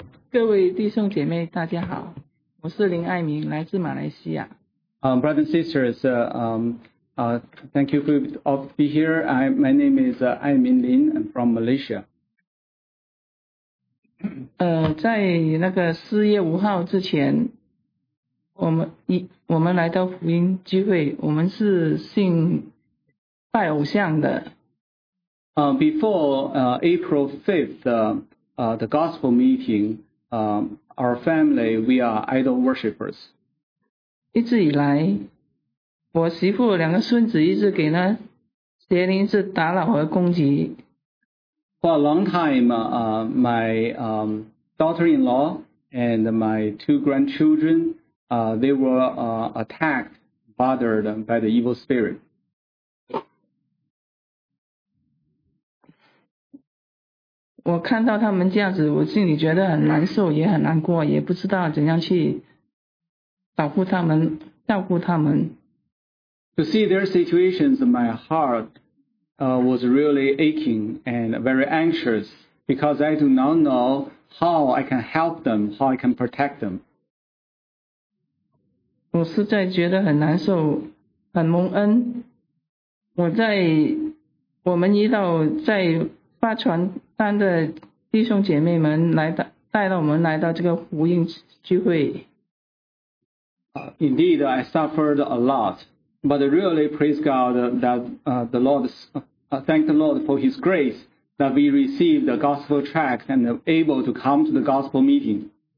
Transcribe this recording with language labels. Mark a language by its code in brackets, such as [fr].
[zh] 各位弟兄姐妹大家好，我是林爱明，来自马来西亚。 [en] Brothers and sisters, thank you for all be here. My name is Ai Ming Lin, I'm from Malaysia. [zh] 在那个四月五号之前，我们来到福音聚会，我们是信拜偶像的。 [en] Before April 5th, the gospel meeting, our family, we are idol worshippers. [zh] 一直以来，我媳妇两个孙子一直给那邪灵是打扰和攻击。 [en] For a long time, my daughter-in-law and my two grandchildren, they were attacked, bothered by the evil spirit. [zh] 我看到他们这样子，我心里觉得很难受，也很难过，也不知道怎样去保护他们，照顾他们。 [en] To see their situations, my heart was really aching and very anxious because I do not know how I can help them, how I can protect them. [zh] 我实在觉得很难受，很蒙恩。我们一道在发传单的弟兄姐妹们带到我们来到这个福音聚会。 [en] Indeed, I suffered a lot. But really, praise God that the Lord, thank the Lord for His grace that we received the gospel tract and able to come to the gospel meeting.